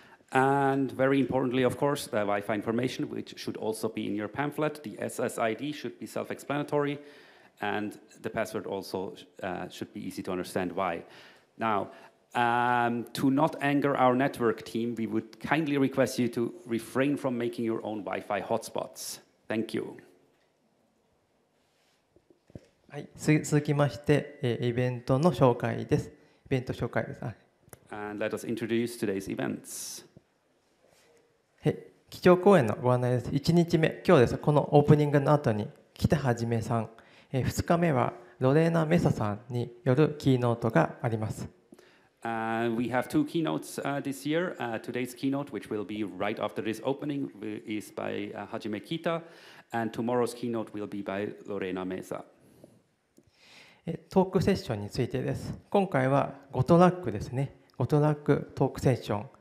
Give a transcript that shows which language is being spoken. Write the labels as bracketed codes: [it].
[en] And very importantly, of course, the Wi-Fi information, which should also be in your pamphlet. The SSID should be self-explanatoryAnd the password also should be easy to understand why. Now, to not anger our network team, we would kindly request you to refrain from making your own Wi-Fi hotspots. Thank you. [ja] はい、続きまして、イベントの紹介です。イベント紹介です。 [en] And let us introduce today's events. [ja] 基調講演のご案内です。1日目、今日です。このオープニングの後に、北はじめさん。 2日目はロレーナ・メサさんによるキーノートがあります。 [en] We have two keynotes this year. Today's keynote, which will be right after this opening, is by Hajime Kita, and tomorrow's keynote will be by Lorena Mesa. [ja] トークセッションについてです。今回は5トラックですね。 5トラックトークセッション。